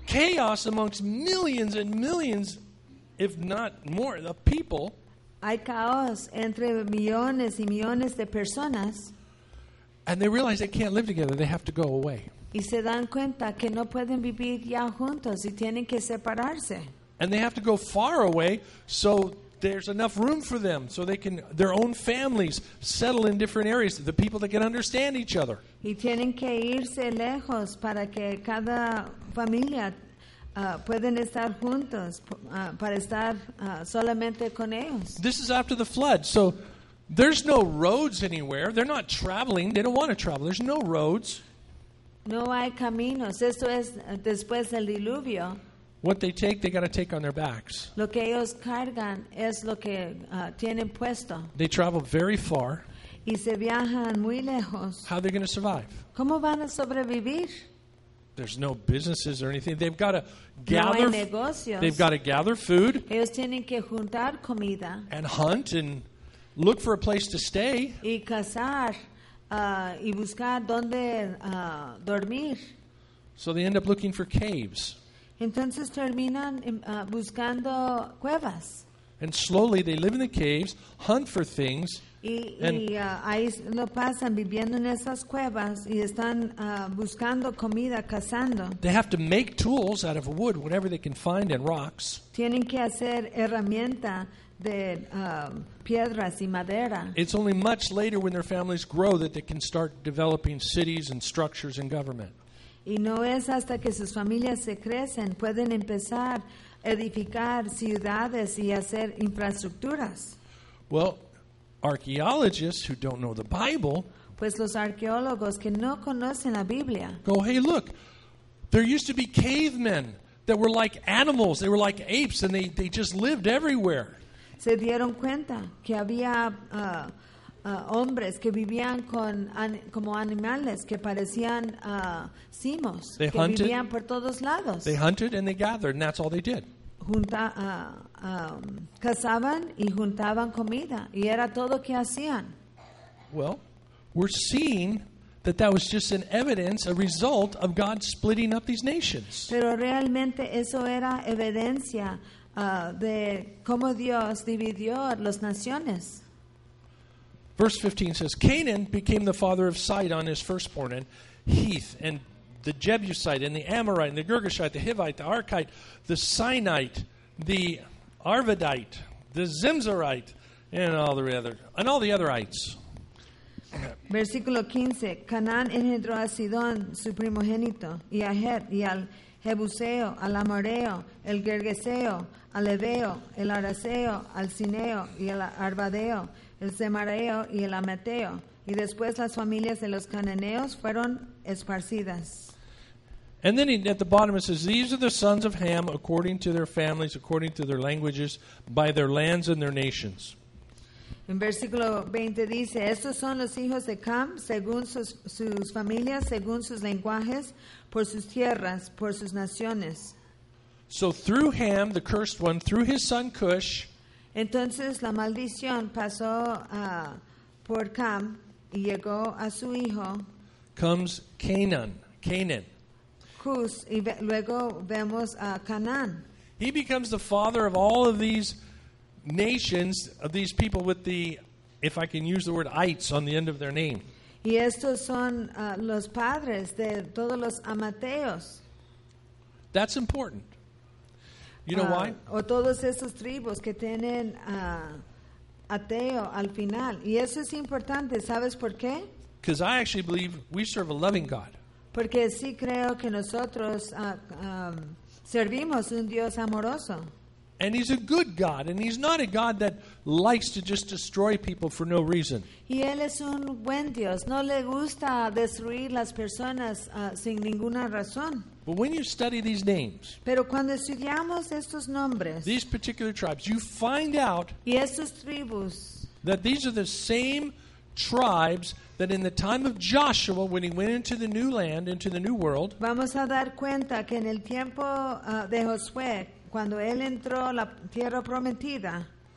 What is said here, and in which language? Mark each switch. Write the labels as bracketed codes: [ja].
[en] Chaos amongst millions and millions, if not more, of people. [es] Hay caos entre millones y millones de personas. [en] And they realize they can't live together. They have to go away. [es] Y se dan cuenta que no pueden vivir ya juntos y tienen que separarse. [en] And they have to go far away so there's enough room for them so they can their own families settle in different areas, the people that can understand each other. [es] Y tienen que irse lejos para que cada familia pueden estar juntos para estar solamente con ellos. [en] This is after the flood, so there's no roads anywhere. They're not traveling. They don't want to travel. There's no roads. [es] No hay caminos. Esto es después del diluvio. [en] What they take, they got to take on their backs. [es] Lo que ellos cargan es lo que tienen puesto. [en] They travel very far. [es] Y se viajan muy lejos. [en] How are they going to survive? [es] ¿Cómo van a sobrevivir? [en] There's no businesses or anything. They've got to gather. [es] No hay negocios. [en] They've got to gather food. [es] Ellos tienen que juntar comida. [en] And hunt and look for a place to stay. [es] Y cazar y buscar dónde dormir. [en] So they end up looking for caves. [es] Entonces terminan buscando cuevas. [en] And slowly they live in the caves, hunt for things. [es] Y ahí lo pasan viviendo en esas cuevas y están buscando comida, cazando. [en] They have to make tools out of wood, whatever they can find, and rocks. [es] Tienen que hacer herramienta de piedras y madera. [en] It's only much later when their families grow that they can start developing cities and structures and government. [es] Y no es hasta que sus familias se crecen, pueden empezar a edificar ciudades y hacer infraestructuras. [en] Well, archaeologists who don't know the Bible, [es] pues los arqueólogos que no conocen la Biblia, [en] go, hey, look, there used to be cavemen that were like animals, they were like apes, and they just lived everywhere. [es] Se dieron cuenta que había hombres que vivían con como animales que parecían simios que [en] hunted, [es] vivían por todos lados. [en] They hunted and they gathered, and that's all they did. [es] Cazaban y juntaban comida y era todo que hacían. [en] Well, we're seeing that was just an evidence, a result of God splitting up these nations. [es] Pero realmente eso era evidencia de cómo Dios dividió las naciones. [en] Verse 15 says, Canaan became the father of Sidon, his firstborn, and Heth, and the Jebusite, and the Amorite, and the Girgashite, the Hivite, the Arkite, the Sinite, the Arvadite, the Zimzarite, and all the otherites. [es] Versículo 15. Canaán engendró a Sidón, su primogénito, y a Het, y al Jebuseo, al Amoreo, el Gergeseo, al Ebeo, el Araseo, al Cineo, y al Arvadeo, el Semareo, y el Amateo. Y después las familias de los cananeos fueron esparcidas. [en] And then at the bottom it says, these are the sons of Ham according to their families, according to their languages, by their lands and their nations. [es] En versículo 20 dice, estos son los hijos de Ham, según sus familias, según sus lenguajes, por sus tierras, por sus naciones. [en] So through Ham, the cursed one, through his son Cush. [es] Entonces la maldición pasó por Ham y llegó a su hijo. [en] Comes Canaan. [es] Cush, y luego vemos a Canaan. [en] He becomes the father of all of these nations, of these people with the, if I can use the word, ites on the end of their name. [es] Y estos son los padres de todos los amateos. [en] That's important. You know why? [es] O todos esos tribus que tienen ateo al final. Y eso es importante. ¿Sabes por qué? [en] Because I actually believe we serve a loving God. [es] Porque sí creo que nosotros servimos un Dios amoroso. [en] And he's a good God, and he's not a God that likes to just destroy people for no reason. [es] Y él es un buen Dios. No le gusta destruir las personas sin ninguna razón. [en] But when you study these names, [es] pero cuando estudiamos estos nombres, [en] these particular tribes, you find out [es] y estos tribus, [en] that these are the same tribes that in the time of Joshua, when he went into the new land, into the new world, [es] vamos a dar cuenta que en el tiempo de Josué, cuando él entró la tierra prometida,